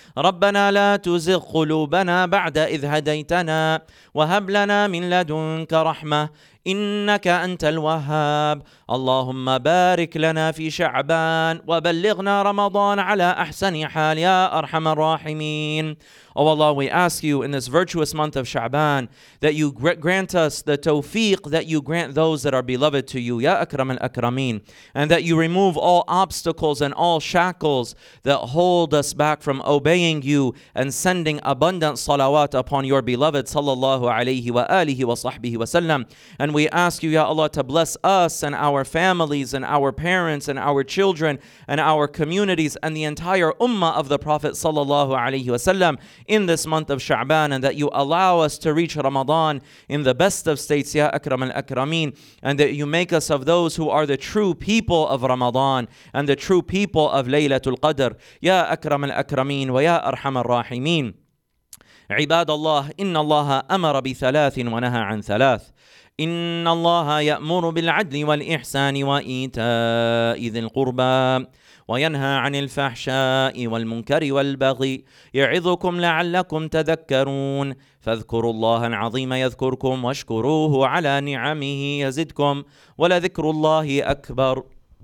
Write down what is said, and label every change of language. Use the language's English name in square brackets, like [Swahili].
[Arabic] ربنا لا تزغ قلوبنا بعد إذ هديتنا وهب لنا من لدنك رحمة، إنك أنت الوهاب. اللهم بارك لنا في شعبان وبلغنا رمضان على أحسن حال يا أرحم الراحمين. [English] Oh Allah, we ask you in this virtuous month of Sha'ban that you grant us the tawfiq that you grant those that are beloved to you, Ya Akram al-Akramin, and that you remove all obstacles and all shackles that hold us back from obeying you and sending abundant salawat upon your beloved sallallahu alayhi wa alihi wa sahbihi wa sallam. And we ask you, Ya Allah, to bless us and our families and our parents and our children and our communities and the entire ummah of the Prophet sallallahu alayhi wa sallam in this month of Sha'ban, and that you allow us to reach Ramadan in the best of states, Ya Akram al-Akrameen, and that you make us of those who are the true people of Ramadan and the true people of Laylatul Qadr, Ya Akram al-Akrameen wa Ya Arham al-Rahimeen. [Arabic] عباد الله إن الله أمر بثلاث ونهى عن ثلاث. إن الله يأمر بالعدل والإحسان وإيتاء ذي القربى وينهى عن الفحشاء والمنكر والبغي يعظكم لعلكم تذكرون فاذكروا الله العظيم يذكركم واشكروه على نعمه يزدكم ولذكر الله أكبر.